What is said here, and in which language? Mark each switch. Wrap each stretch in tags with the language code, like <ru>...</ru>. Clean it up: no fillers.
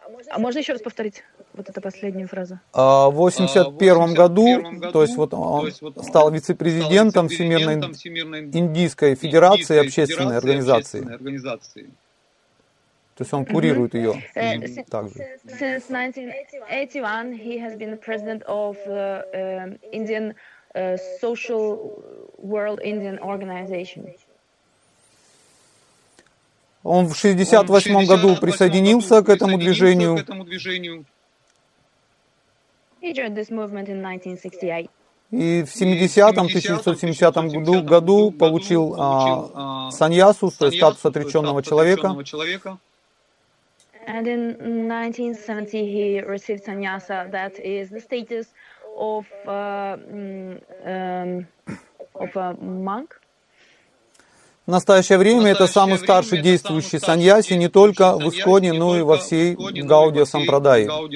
<ru>А можно еще раз повторить вот эту последнюю фразу? В 81 году, то есть вот он стал вице-президентом Всемирной индийской федерации общественной организации. То есть он курирует ее также.</ru> <en>Since 1981 he has been the president of the Indian Social World Indian Organization.</en> <ru>Он в 68 году присоединился к этому движению.</ru> <en>He joined this movement in 1968.</en> <ru>И в 1970 году получил саньясу, то есть статус отреченного человека.</ru> <en>And in 1970 he received sannyasa, that is the status of of a monk.</en> <ru>В настоящее время это самый старший действующий саньяси не только в Исконе, но и во всей Гаудия Сампрадайи.</ru>